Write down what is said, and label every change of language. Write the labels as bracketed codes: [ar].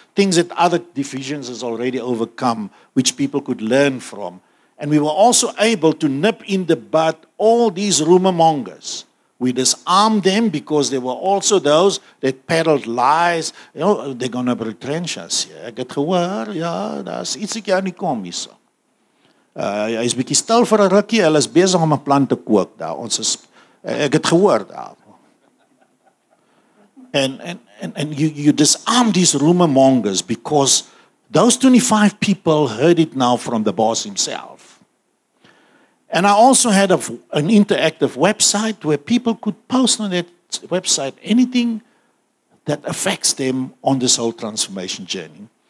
[en] Things that other divisions has already overcome, which people could learn from. And we were also able to nip in the bud all these rumor mongers. We disarmed them because there were also those that peddled lies. You know, they're going to retrench us here. [af] Ek het gehoor, ja, daar's ietsiekie aan die kom hierso. Hy is bietjie stil vir 'n rukkie, hulle is besig om 'n plan te kook daar. Ons is, ek het gehoor daar. [en] And you disarm these rumor mongers because those 25 people heard it now from the boss himself. And I also had an interactive website where people could post on that website anything that affects them on this whole transformation journey.